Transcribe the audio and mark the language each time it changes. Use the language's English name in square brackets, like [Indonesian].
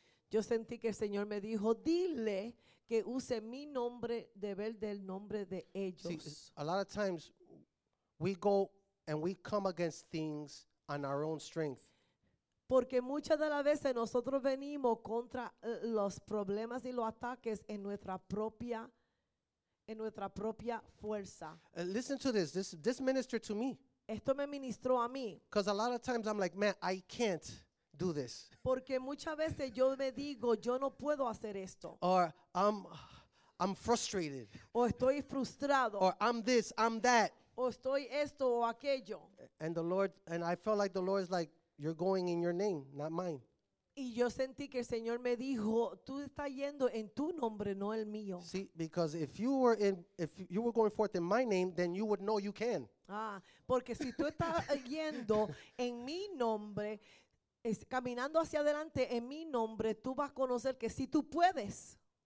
[Spanish] Yo sentí que el Señor me dijo, dile que use mi nombre de ver del nombre de ellos. [English] See, a lot of times we go and we come against things on our own strength. [Spanish] Porque muchas de las veces nosotros venimos contra los problemas y los ataques en nuestra propia vida. En nuestra propia fuerza. [English] Listen to this. This ministered to me. [Spanish] Esto me ministró a mí. [English] Because a lot of times I'm like, man, I can't do this. [Spanish] Porque muchas veces yo me digo, yo no puedo hacer esto. [English] Or I'm frustrated. [Spanish] O estoy frustrado. [English] Or I'm this, I'm that. [Spanish] O estoy esto o aquello. [English] And I felt like the Lord is like, you're going in your name, not mine. [Spanish] Y yo sentí que el Señor me dijo, tú estás yendo en tu nombre, no el mío. [English] See, because if you were going forth in my name, then you would know you can. [Spanish] Porque si tú estás yendo en mi nombre, caminando hacia adelante en mi nombre, tú vas a conocer que sí tú puedes.